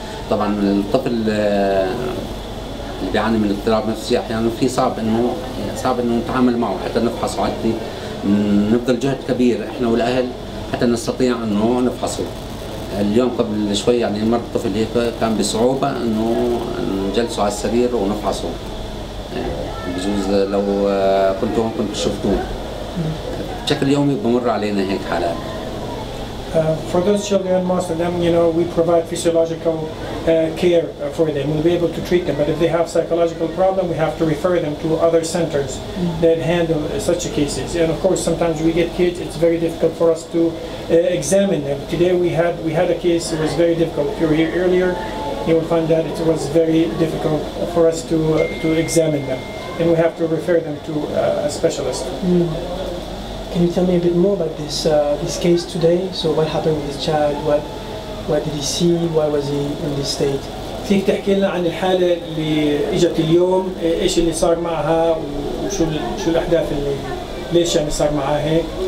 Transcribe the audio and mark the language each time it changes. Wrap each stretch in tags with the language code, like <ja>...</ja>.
<ar>طبعا الطفل اللي بيعاني من اضطراب نفسي أحيانا في صعب إنه نتعامل معه حتى نفحصه، حتى نبذل جهد كبير إحنا والأهل حتى نستطيع إنه نفحصه. اليوم قبل شوي يعني مر الطفل هيك كان بصعوبة إنه نجلسه على السرير ونفحصه، بجوز لو كنت هون كنت شفتوه. بشكل يومي بمر علينا هيك حالات.</ar> <en>For those children, most of them, you know, we provide physiological care for them. We'll be able to treat them. But if they have psychological problem, we have to refer them to other centers that handle such cases. And of course, sometimes we get kids, it's very difficult for us to examine them. Today we had a case, it was very difficult. If you were here earlier, you will find that it was very difficult for us to examine them. And we have to refer them to a specialist. Mm. Can you tell me a bit more about this this case today? So what happened with this child? What did he see? Why was he in this state?</en> <ar>فيك تحكي لنا عن الحالة اللي اجت اليوم، ايش اللي صار معها وشو الاحداث اللي ليش يعني صار معها هيك؟</ar>